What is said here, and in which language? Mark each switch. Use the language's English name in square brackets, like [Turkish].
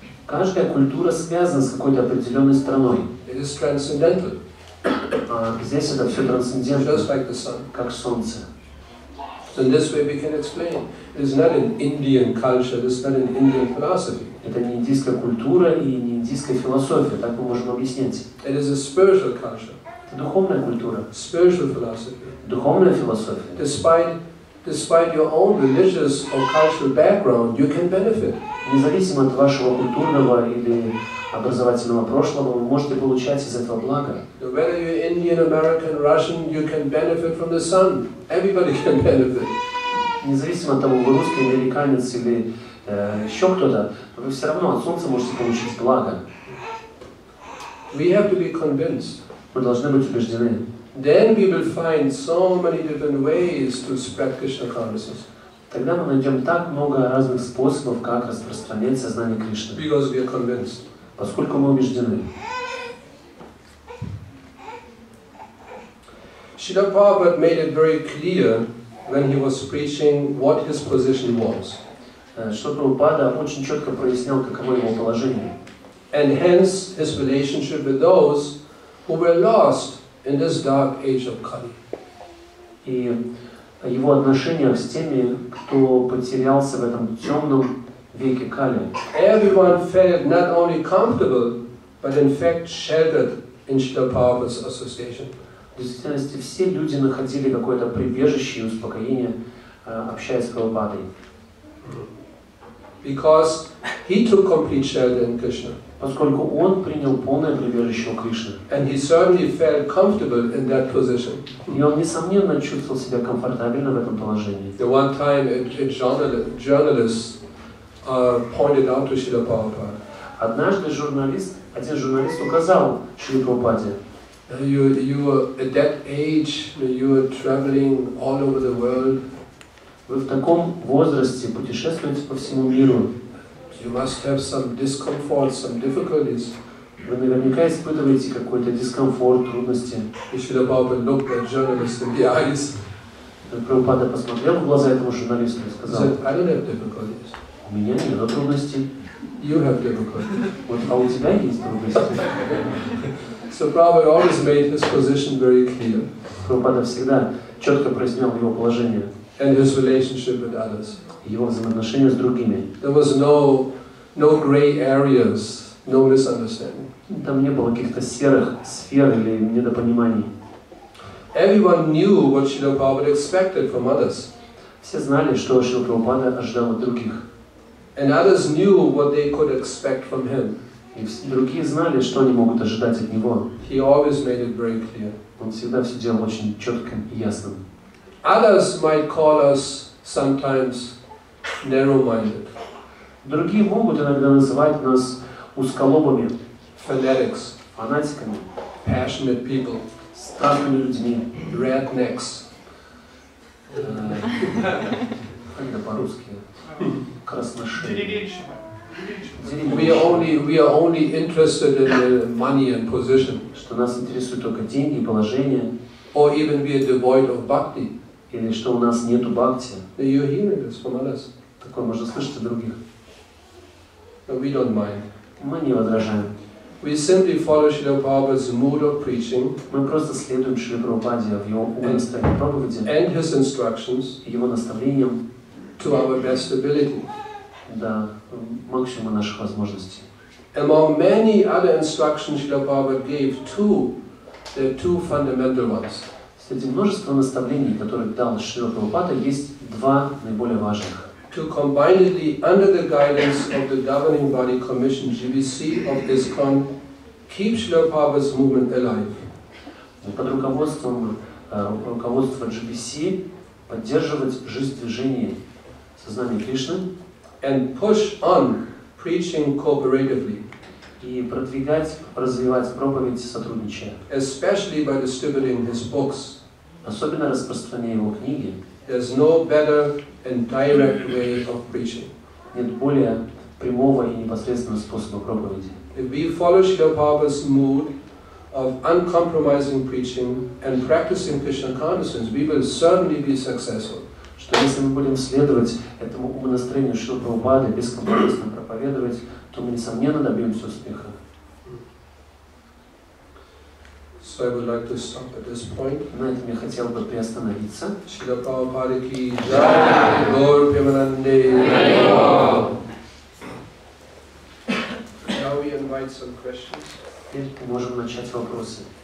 [Russian] Каждая культура связана с какой-то определенной страной. [English] It is transcendental. [Russian] Здесь это все трансцендентно. [English] Just like the sun. [Russian] Как солнце. [English] So in this way we can explain. It is not an Indian culture. This is not an Indian philosophy. [Russian] Это не индийская культура и не индийская философия, так мы можем объяснить. [English] It is a spiritual culture. [Russian] Это духовная культура. [English] Spiritual philosophy. [Russian] Духовная философия. [English] Despite your own religious or cultural background, you can benefit. [Russian] Независимо от вашего культурного или образовательного прошлого, вы можете получать из этого благо. [English] So whether you're Indian, American, Russian, you can benefit from the sun. Everybody can benefit. [Russian] Независимо от того, вы русский, американец или еще кто-то, вы все равно от солнца можете получить благо. [English] We have to be convinced. [Russian] Мы должны быть убеждены. [English] Then we will find so many different ways to spread Krishna consciousness. [Russian] Тогда мы найдем так много разных способов, как распространять сознание Кришны. [English] Because we are convinced. [Russian] Поскольку мы убеждены. [English] Srila Prabhupada made it very clear when he was preaching what his position was. [Russian] Шрила Прабхупада очень четко прояснил, каково его положение. [English] And hence his relationship with those who were lost in this dark age of Kali. [Russian] И его отношения с теми, кто потерялся в этом темном веке Кали. [English] Everyone felt not only comfortable, but in fact sheltered in Srila Prabhupada's association. [Russian] В действительности все люди находили какое-то прибежище и успокоение, общаясь с Прабхупадой. [English] Because he took complete shelter in Krishna. [Russian] Поскольку он принял полное прибежище у Кришны. [English] And he certainly felt comfortable in that position. [Russian] И он несомненно чувствовал себя комфортабельно в этом положении. [English] The one time a journalist pointed out to Srila Prabhupada. [Russian] Однажды один журналист указал Шриле Прабхупаде. [English] You at that age, you are traveling all over the world. [Russian] Вы в таком возрасте путешествуете по всему миру. [English] You must have some discomfort, some difficulties. [Russian] Вы наверняка испытываете какой-то дискомфорт, трудности. И [English] Шрила Прабхупада looked at journalist in the eyes. [Russian] Прабхупада посмотрел в глаза этому журналисту и сказал: [English] "I don't have difficulties. [Russian] У меня нет трудностей. [English] You have difficulties. [Russian] Вот, а у тебя есть трудности." [English] So Prabhupada always made his position very clear. [Russian] Прабхупада всегда четко прояснял его положение. [English] And his relationship with others. [Russian] Его взаимоотношения с другими. [English] There was no gray areas, no misunderstanding. [Russian] Там не было каких-то серых сфер или недопониманий. [English] Everyone knew what Srila Prabhupada expected from others. [Russian] Все знали, что Шрила Прабхупада ожидал от других. [English] And others knew what they could expect from him. [Russian] И другие знали, что они могут ожидать от него. [English] He always made it very clear. [Russian] Он всегда все делал очень четким и ясным. [English] Others might call us sometimes narrow-minded. [Russian] Другие могут иногда называть нас узколобыми. [English] Fanatics. [Russian] Фанатиками. [English] Passionate people. [Russian] Страстными людьми. [English] Rednecks. [Russian] Как это по-русски? Красношеи. [English] We are only interested in the money and position. [Russian] Что нас интересует только деньги и положение. [English] Or even we are devoid of bhakti. [Russian] Или что у нас нету бхакти. [English] You hear this from others. [Russian] Такое можно слышать от других. [English] We don't mind. [Russian] Мы не возражаем. [English] We simply follow Srila Prabhupada's mood of preaching. [Russian] Мы просто следуем Шриле Прабхупаде в его умственной проповеди. [English] And his instructions. [Russian] Его наставлениям. [English] To our best ability. [Russian] До максимума наших возможностей. [English] Among many other instructions Srila Prabhupada gave two, the two fundamental ones. [Russian] Среди множества наставлений, которые дал Шрила Прабхупада, есть два наиболее важных. [English] To combinedly under the guidance of the governing body commission GBC of ISKCON keep Srila Prabhupada's movement alive. [Russian] Под руководством руководства GBC поддерживать жизнь движения сознания Кришны. [English] And push on preaching cooperatively. [Russian] И продвигать, развивать проповедь сотрудничая. [English] Especially by distributing his books. [Russian] Особенно распространяя его книги. [English] There's no better and direct way of preaching. [Russian] Нет более прямого и непосредственного способа проповеди. [English] If we follow Srila Prabhupada's mood of uncompromising preaching and practicing Krishna consciousness, we will certainly be successful. [Russian] Что если мы будем следовать этому умонастроению Шрила Прабхупады, бескомпромиссно проповедовать, то мы, несомненно, добьемся успеха. [English] So I would like to stop at this point. [Russian] На этом я хотел бы приостановиться. Шрила Прабхупада ки джай, Гаур Премананде, Хари Бол. [English] Now we invite some questions. [Russian] Теперь мы можем начать вопросы.